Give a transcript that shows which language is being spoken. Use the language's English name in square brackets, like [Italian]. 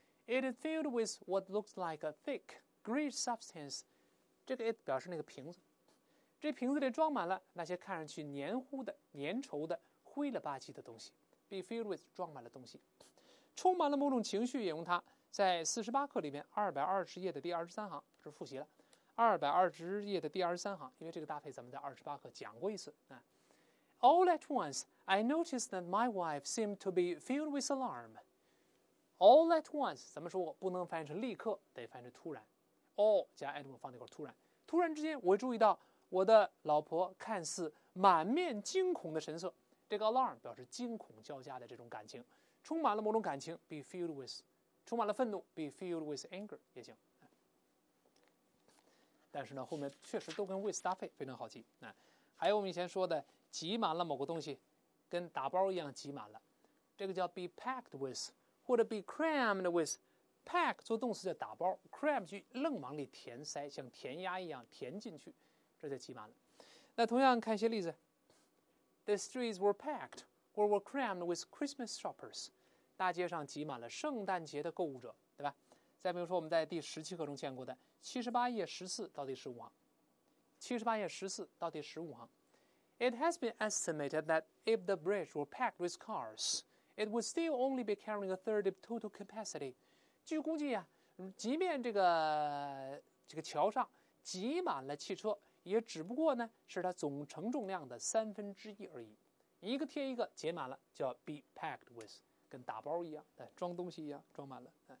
[English] It is filled with what looks like a thick gray substance， [Chinese] 这个 it 表示那个瓶子，这瓶子里装满了那些看上去黏糊的粘稠的灰了吧唧的东西。 be filled with 装满了东西，充满了某种情绪也用它。在48课里面220页的第23行，这是复习了220页的第23行，因为这个搭配咱们在28课讲过一次。 [English] All at once I noticed that my wife seemed to be filled with alarm. [Chinese] All at once 咱们说不能翻译成立刻，得翻译成突然， all 加 at 放那块突然，突然之间我注意到我的老婆看似满面惊恐的神色，这个 alarm 表示惊恐交加的这种感情，充满了某种感情 be filled with， 充满了愤怒 [English] be filled with anger [Chinese] 也行。但是呢后面确实都跟 with 搭配，非常好记。还有我们以前说的挤满了某个东西，跟打包一样挤满了，这个叫 be packed with 或者 be crammed with。 pack 做动词叫打包， cram 去愣往里填塞，像填鸭一样填进去，这就挤满了。那同样看一些例子。 [English] The streets were packed or were crammed with Christmas shoppers， [Chinese] 大街上挤满了圣诞节的购物者，对吧？再比如说我们在第十七课中见过的78页14到第15行，78页14到第15行。 [English] It has been estimated that if the bridge were packed with cars it would still only be carrying a third of total capacity。 [Chinese] 据估计啊，即便这个桥上挤满了汽车，也只不过呢是它总承重量的三分之一而已，一个贴一个挤满了，叫 be packed with， 跟打包一样，装东西一样装满了。